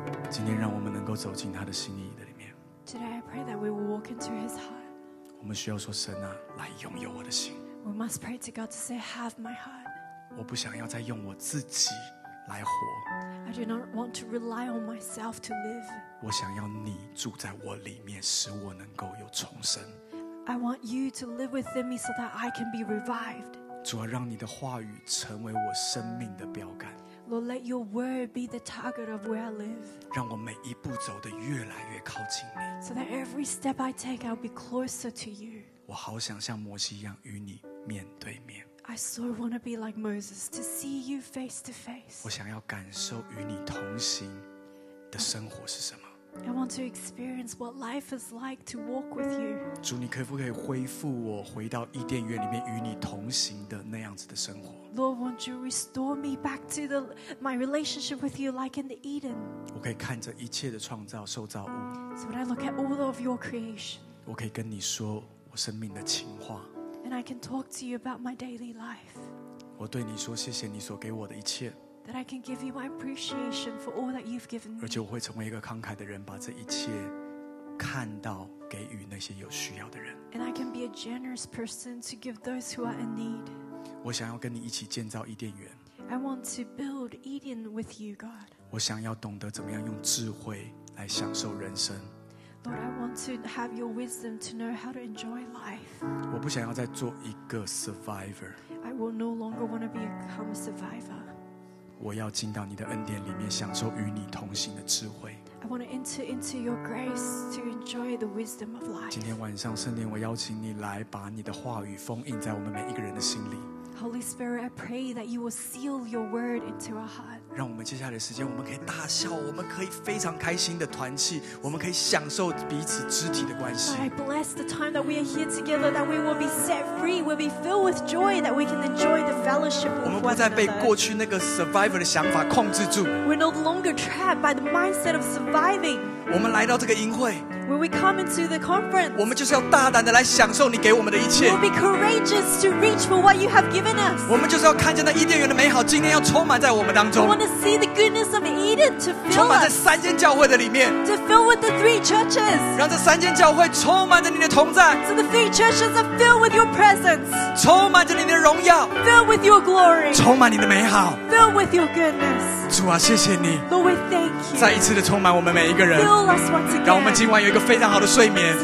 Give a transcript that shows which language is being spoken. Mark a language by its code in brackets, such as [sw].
[zh] 今天让我们能够走进他的心意的里面。 [en] Today I pray that we will walk into His heart. [zh] 我们需要说神啊，来拥有我的心。 [en] We must pray to God to say, "Have my heart." [zh] 我不想要再用我自己来活。 [en] I do not want to rely on myself to live. [zh] 我想要你住在我里面，使我能够有重生。 [en] I want you to live within me so that I can be revived. [zh] 主啊，让你的话语成为我生命的标杆。 [en] Lord, let your word be the target of where I live. [zh] 让我每一步走得越来越靠近你。 [en] So that every step I take, I'll be closer to you. [zh] 我好想像摩西一样与你面对面。 [en] I so want to be like Moses, to see you face to face. [zh] 我想要感受与你同行的生活是什么。 [en] I want to experience what life is like to walk with you. [zh] 主，你可不可以恢复我回到伊甸园里面与你同行的那样子的生活？ [en] Lord, won't you restore me back to my relationship with you like in the Eden? [zh] 我可以看着一切的创造受造物。 [en] So when I look at all of your creation, [zh] 我可以跟你说我生命的情话。 [en] And I can talk to you about my daily life. [zh] 我对你说谢谢你所给我的一切。 [en] That I can give you my appreciation for all that you've given me. [zh] 而且我会成为一个慷慨的人，把这一切看到给予那些有需要的人。 [en] And I can be a generous person to give those who are in need. [zh] 我想要跟你一起建造伊甸园。 [en] I want to build Eden with you, God. [zh] 我想要懂得怎么样用智慧来享受人生。 [en] Lord, I want to have your wisdom to know how to enjoy life. [zh] 我不想要再做一个 survivor. [en] I will no longer want to become a survivor. [zh] 我要进到你的恩典里面，享受与你同行的智慧。 [en] I want to enter into your grace to enjoy the wisdom of life. [zh] 今天晚上，圣灵，我邀请你来把你的话语封印在我们每一个人的心里。 [en] Holy Spirit, I pray that you will seal your word into our heart. [zh] 让我们接下来的时间，我们可以大笑，我们可以非常开心的团契，我们可以享受彼此肢体的关系。 [en] I bless the time that we are here together, that we will be set free, we'll be filled with joy, that we can enjoy the fellowship with one another. [zh] 我们不再被过去那个 survivor 的想法控制住。 [en] We're no longer trapped by the mindset of surviving. [zh] 我们来到这个营会。 [en] When we come into the conference, [zh] 我们就是要大胆的来享受你给我们的一切。 [en] We'll be courageous to reach for what you have given us. [zh] 我们就是要看见那伊甸园的美好，今天要充满在我们当中。 [en] We want to see the goodness of Eden to fill us. [zh] 充满在三间教会的里面。 [en] To fill with the three churches. [zh] 让这三间教会充满着你的同在。 [en] So the three churches are filled with your presence. [zh] 充满着你的荣耀。 [en] Filled with your glory. [zh] 充满你的美好。 [en] Filled with your goodness. [zh] 主啊，谢谢你。 [en] Lord, we thank you. [zh] 再一次的充满我们每一个人。 [en] Fill us once again. [zh] 让我们今晚有一个非常好的睡眠。